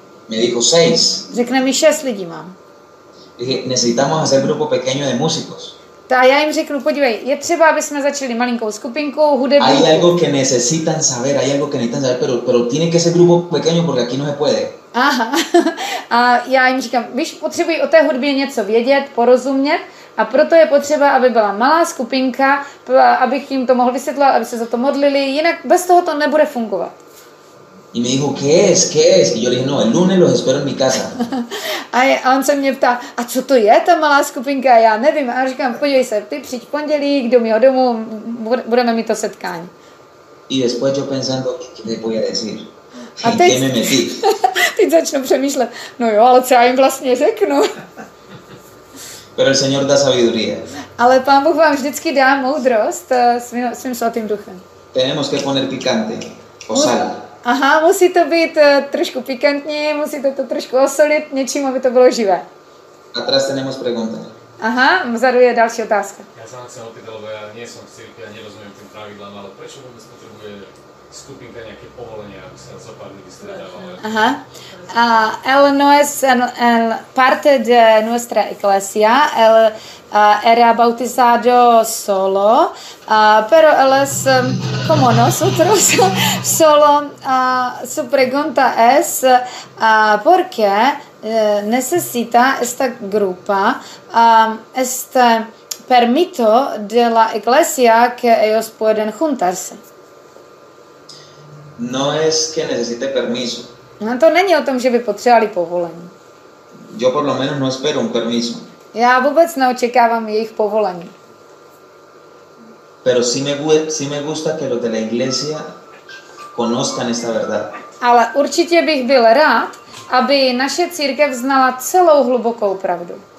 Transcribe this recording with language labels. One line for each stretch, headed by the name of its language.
Spanish: Me dijo, seis.
Czech: Řekne mi, šest lidí mám.
Spanish: Dije, necesitamos hacer grupo pequeño de músicos.
Czech: A já jim řeknu, podívej, je třeba, aby jsme začali malinkou skupinkou hudebníků.
Spanish: Hay algo que necesitan saber, hay algo que necesitan saber, pero tiene que ser grupo pequeño porque aquí no se puede. Aha.
Czech: A já jim říkám, víš, potřebuji o té hudbě něco vědět, porozumět, a proto je potřeba, aby byla malá skupinka, abych jim to mohl vysvětlit, aby se za to modlili, jinak bez toho to nebude fungovat.
Spanish: Y me dijo, ¿qué es? ¿Qué es? Y yo le dije, no, el lunes los espero en mi casa.
Czech: A on se mě ptá, a co to je ta malá skupinka? Já nevím. A říkám, podívej se, ty přijď pondělí k mýho domu, budeme mít to setkání.
Spanish: Y después yo pensando, ¿qué voy a decir?
Czech: A teď,
Spanish: ¿qué me metí?
Czech: Teď začnu přemýšlet, no jo, ale co já jim vlastně řeknu?
Spanish: Pero el Señor da sabiduría.
Czech: Ale Pán Bůh vám vždycky dá moudrost svým svatým duchem.
Spanish: Tenemos que poner picante, o sal.
Czech: Aha, musí to být trošku pikantní, musí to trošku osolit něčím, aby to bylo živé.
Slovak: A teraz
Spanish: tenemos pregunta.
Czech: Aha, vzadu je další otázka. Já jsem se opýtal, já nejsem v cirkvi a nerozumím tím pravidlám, ale proč vůbec potřebuje skupinka nějaké povolení, aby se co pár lidí středávali? Aha.
Spanish: El no es el parte de nuestra iglesia, el era bautizado solo, pero él es, como nosotros, solo su pregunta es ¿por qué necesita esta grupa este permiso de la iglesia que ellos pueden juntarse? No es que necesite permiso.
Czech: No, to není o tom, že by potřebovali povolení.
Spanish: Yo por lo menos no espero un permiso.
Czech: Já vůbec neočekávám jejich povolení.
Spanish: Pero si me gusta que los de la iglesia conozcan esta verdad.
Czech: Ale určitě bych byl rád, aby naše církev znala celou hlubokou pravdu.